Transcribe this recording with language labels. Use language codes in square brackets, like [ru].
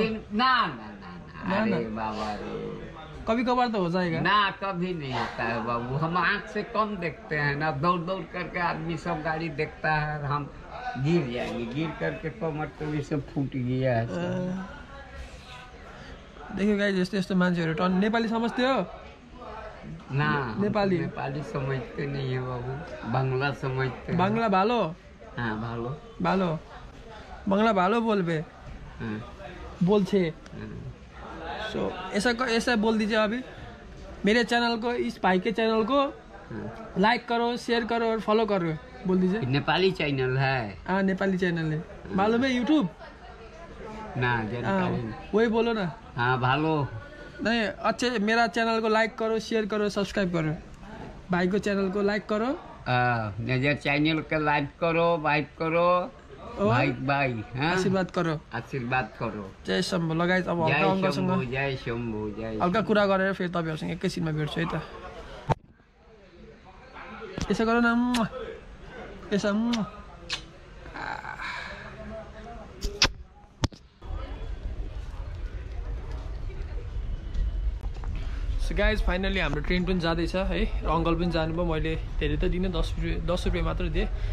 [hi] ना ना ना अरे बाबा रे कभी कभार तो हो जाएगा ना कभी नहीं होता है बाबू हम आँख से कम देखते हैं ना दौड़ दौड़ करके आदमी सब गाड़ी देखता है हम गिर जाएंगे गिर करके कमर तो भी सब फूट गया है [ne] देखियो गाइस यस्तो यस्तो मान्छेहरू टन नेपाली [hi] समझते हो नेपाली समझते नहीं है बाबू बांग्ला समझते [bn] बांग्ला भालो हाँ भालो भालो बांग्ला भालो बोलबे बोलछे [hi] सो ऐसा बोल दीजिए अभी मेरे चैनल को इस भाई के चैनल को लाइक करो शेयर करो और फॉलो करो बोल दीजिए नेपाली चैनल है हाँ नेपाली चैनल है मालूम है यूट्यूब ना वही बोलो ना [bn] हाँ भालो [hi] नहीं अच्छे मेरा चैनल को लाइक करो शेयर करो सब्सक्राइब करो [ne] भाइको च्यानलको लाइक गर मेजर च्यानलको लाइक गर भाइक गर भाइ भाइ आशीर्वाद गर आशीर्वाद गर जय शम्भु लगाइस अब हल्का अङ्गसँग जय शम्भु जय हल्का कुरा गरेर फेरि तपाईहरुसँग एकैछिनमा भेट्छु है त यसो गर न यसो सो गाइज फाइनली हाम्रो ट्रेन पनि जाँदैछ है अङ्कल पनि जानुभयो मैले धेरै त दिनँ दस रुपियाँ मात्र दिएँ